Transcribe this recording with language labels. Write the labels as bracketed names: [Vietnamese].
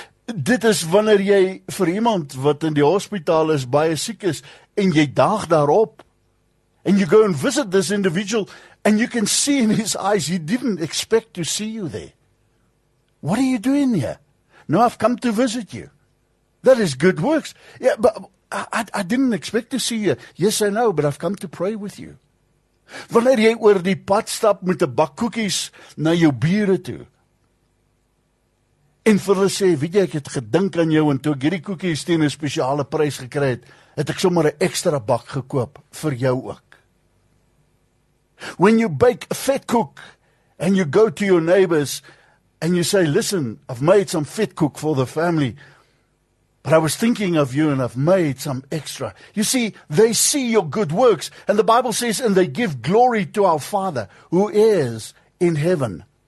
[Afrikaans] Dit is wanneer jy vir iemand wat in die hospitaal is, baie siek is, en jy daag daarop, [English] and you go and visit this individual, and you can see in his eyes, he didn't expect to see you there. What are you doing here? No, I've come to visit you. That is good works. Yeah, but I didn't expect to see you. Yes, I know, but I've come to pray with you. [Afrikaans] Wanneer jy oor die pad stap met 'n bak koekies na jou bure toe, En vir hulle sê, weet jy, ek het gedink aan jou, en toe ek hierdie koekies teen 'n spesiale prys gekry het, het ek sommer 'n ekstra bak gekoop vir jou ook. [English] When you bake a fat cook, and you go to your neighbors, and you say, listen, I've made some fat cook for the family, but I was thinking of you, and I've made some extra. You see, they see your good works, and the Bible says, and they give glory to our Father, who is in heaven.